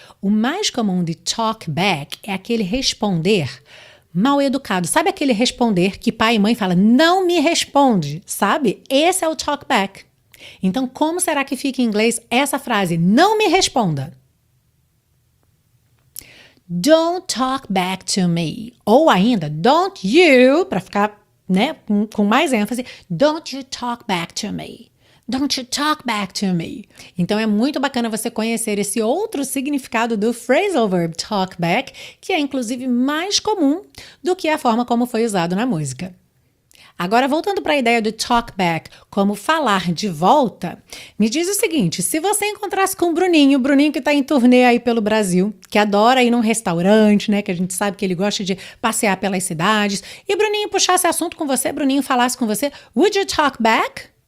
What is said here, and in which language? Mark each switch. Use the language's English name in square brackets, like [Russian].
[Portuguese] O mais comum de talk back é aquele responder mal educado. Sabe aquele responder que pai e mãe fala, não me responde, sabe? Esse é o talk back. Então, como será que fica em inglês essa frase, não me responda? [English] Don't talk back to me. [Portuguese] Ou ainda, [English] don't you, [Portuguese] para ficar, né, com mais ênfase, [English] don't you talk back to me. Don't you talk back to me. [Portuguese] Então é muito bacana você conhecer esse outro significado do phrasal verb talk back, que é inclusive mais comum do que a forma como foi usado na música. Agora, voltando para a ideia do talk back como falar de volta, me diz o seguinte: se você encontrasse com o Bruninho que está em turnê aí pelo Brasil, que adora ir num restaurante, né, que a gente sabe que ele gosta de passear pelas cidades, e Bruninho puxasse assunto com você, Bruninho falasse com você, [English] would you talk back?